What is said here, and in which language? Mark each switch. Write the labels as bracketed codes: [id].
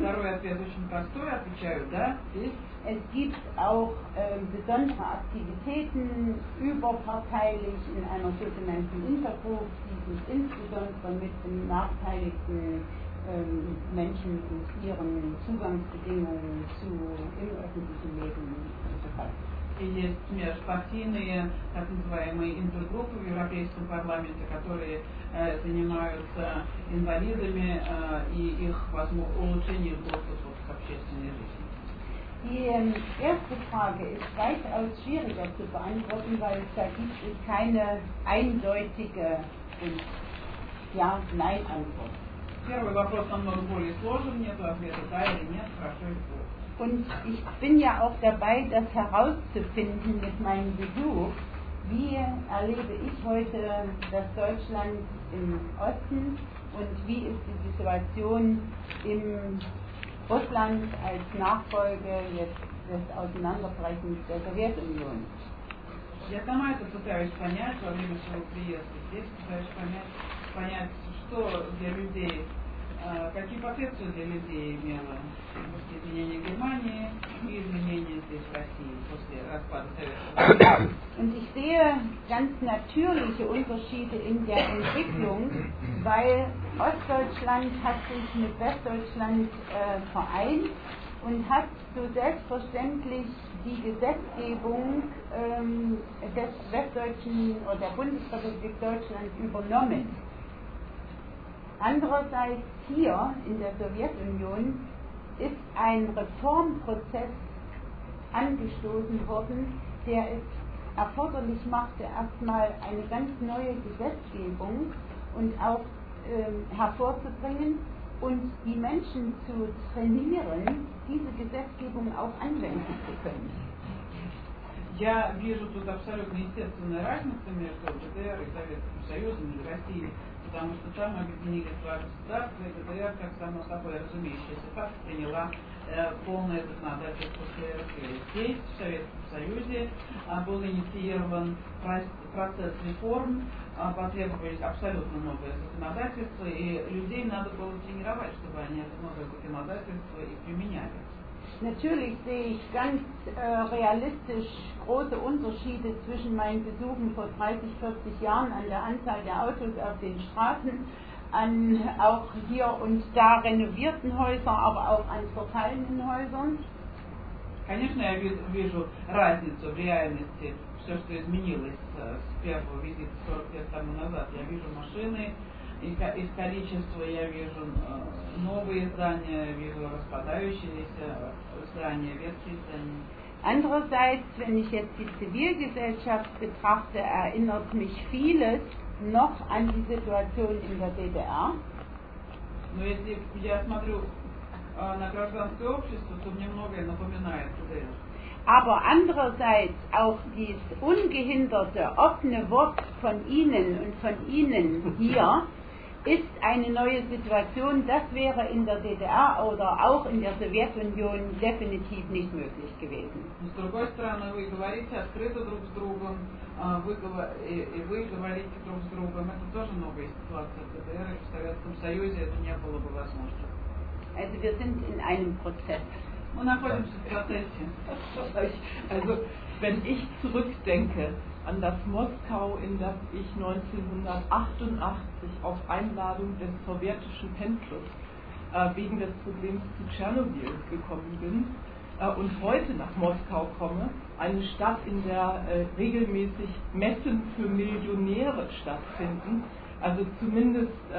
[de] Es gibt auch besondere Aktivitäten überparteilich in einer sogenannten Intergroup, die sich insbesondere mit benachteiligten Menschen und ihren Zugangsbedingungen zu im öffentlichen Leben befasst. [ru] И есть межпартийные, так называемые, интергруппы в Европейском парламенте, которые занимаются инвалидами и их улучшением доступа к общественной жизни. [de] Die erste Frage ist weitaus schwieriger zu beantworten, weil es da gibt es keine eindeutige Ja-Nein-Antwort. [ru] Первый вопрос намного более сложен, нет ответа «да» или «нет», «хорошо» или «плохо». [de] Und ich bin ja auch dabei, das herauszufinden mit meinem Besuch, wie erlebe ich heute das Deutschland im Osten und wie ist die Situation in Russland als Nachfolge jetzt des Auseinanderbrechens der Sowjetunion. [ru] Я сама это пытаюсь понять во время своего приезда здесь, пытаюсь понять, что для людей. Какие последствия для людей имело изменение Германии и изменение здесь России после распада Советского Союза? [de] Ich sehe ganz natürliche Unterschiede in der Entwicklung, weil Ostdeutschland hat sich mit Westdeutschland vereint und hat so selbstverständlich die Gesetzgebung des Westdeutschen oder der Bundesrepublik Deutschland übernommen. Andererseits hier in der Sowjetunion ist ein Reformprozess angestoßen worden, der es erforderlich machte, erstmal eine ganz neue Gesetzgebung und auch hervorzubringen und die Menschen zu trainieren, diese Gesetzgebung auch anwenden zu können. [ru] Я вижу тут абсолютно естественную разницу между ГДР и Советским Союзом и Россией, потому что там объединили два государства, и ГДР, как само собой разумеющееся факт, приняла полное законодательство после России. Здесь, в Советском Союзе, был инициирован процесс реформ, потребовались абсолютно новые законодательства, и людей надо было тренировать, чтобы они это новое законодательство и применяли. [de] Natürlich sehe ich ganz realistisch große Unterschiede zwischen meinen Besuchen vor 30, 40 Jahren an der Anzahl der Autos auf den Straßen, an auch hier und da renovierten Häusern, aber auch an verfallenen Häusern. [ru] Конечно, я вижу разницу в реальности. Все, что изменилось с первого визита 40 лет тому назад, я вижу машины. Из количества я вижу новые здания, вижу распадающиеся здания, ветхие здания. [de] Andererseits, wenn ich jetzt die Zivilgesellschaft betrachte, erinnert mich vieles noch an die Situation in der DDR. [ru] Но если я смотрю на гражданское общество, то мне многое напоминает ГДР. [de] Aber andererseits auch dieses ungehinderte, offene Wort von Ihnen und von Ihnen hier, ist eine neue Situation, das wäre in der DDR oder auch in der Sowjetunion definitiv nicht möglich gewesen. Und [ru] с другой стороны, вы говорите открыто друг с другом, вы говорите друг с другом, это тоже новая ситуация в ДДР, в Советском Союзе это не было бы возможно. [de] Also wir sind in einem Prozess. [ru] Мы находимся в процессе. [de] Also, wenn ich zurückdenke an das Moskau, in das ich 1988 auf Einladung des sowjetischen Pendlers wegen des Problems zu Tschernobyl gekommen bin und heute nach Moskau komme, eine Stadt, in der regelmäßig Messen für Millionäre stattfinden, also zumindest